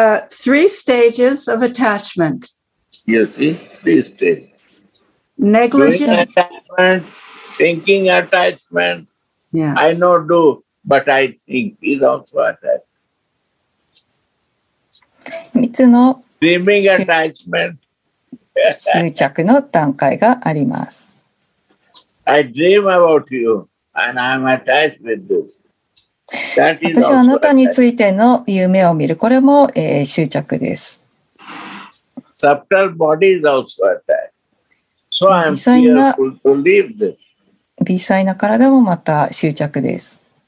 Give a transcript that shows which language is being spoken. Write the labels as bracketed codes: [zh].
[en] Three stages of attachment. You see, three stages. Negligence. Doing attachment, thinking attachment. Yeah. I know do, but I think is also attachment. Dreaming attachment. [ja] 執着の段階があります。 [en] I dream about you and I'm attached with this. That is [ja] 私はあなたについての夢を見る。これも, 執着です。 [en] Subtle body is also attached. So I'm fearful to leave this. [ja] 微細な体もまた執着です。